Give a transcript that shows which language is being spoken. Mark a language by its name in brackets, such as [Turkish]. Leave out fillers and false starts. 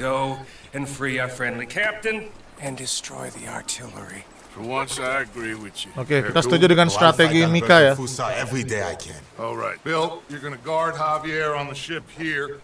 [English] Go and free our friendly captain and destroy the artillery. For once I agree with you. [Indonesian] Oke, kita setuju dengan strategi Mika ya. [English] Every day I can. All right. Bill, you're going to guard Javier on the ship here.